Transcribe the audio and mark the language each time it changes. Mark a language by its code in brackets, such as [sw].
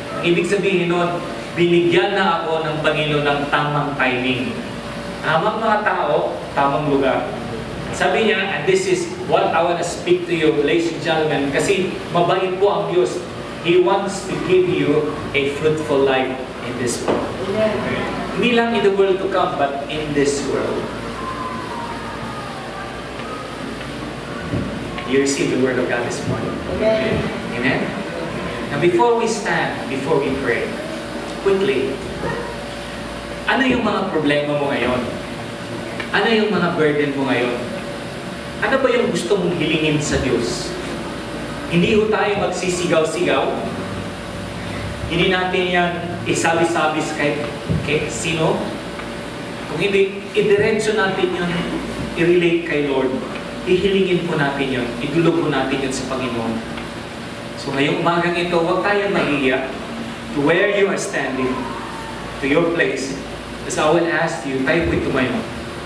[tl] Ang ibig sabihin nun, binigyan na ako ng Panginoon ng tamang timing. Tamang mga tao, tamang lugar. Sabi niya, [en] and this is what I want to speak to you, ladies and gentlemen, [tl] kasi mabait po ang Diyos. [en] He wants to give you a fruitful life in this world. [tl] Hindi lang [en] in the world to come, but in this world. You receive the word of God this morning. Amen. Amen. Now before we stand, before we pray, quickly, [tl] ano yung mga problema mo ngayon? Ano yung mga burden mo ngayon? Ano ba yung gusto mong hilingin sa Diyos? Hindi ho tayo magsisigaw-sigaw. Hindi natin yan isabi-sabi sa kahit sino. Kung hindi, idiretso natin yun, i-relate kay Lord. Ihilingin po natin yun, idulog po natin yun sa Panginoon. So ngayong umagang ito, huwag tayong mag-iya. [en] To where you are standing, to your place, as I will ask you, [tl] tayo po'y tumayo.